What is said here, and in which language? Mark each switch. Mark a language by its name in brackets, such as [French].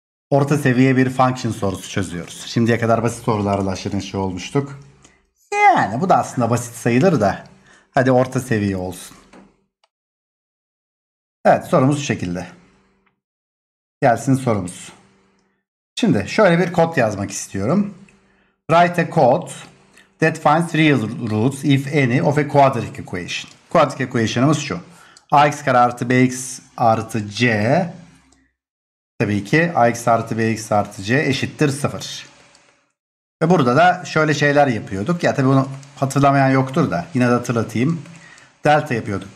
[Turkish] Orta seviye bir function sorusu çözüyoruz. Şimdiye kadar basit sorularla aşırı şey olmuştuk. Yani bu da aslında basit sayılır da. Hadi orta seviye olsun. Evet, sorumuz şu şekilde. Gelsin sorumuz. Şimdi şöyle bir kod yazmak istiyorum. [English] Write a code that finds real roots if any of a quadratic equation. [Turkish] Quadratic equation'ımız şu. Ax kare artı bx artı c. Tabii ki ax artı bx artı c eşittir 0. Ve burada da şöyle şeyler yapıyorduk. Ya tabii bunu hatırlamayan yoktur da yine de hatırlatayım. Delta yapıyorduk.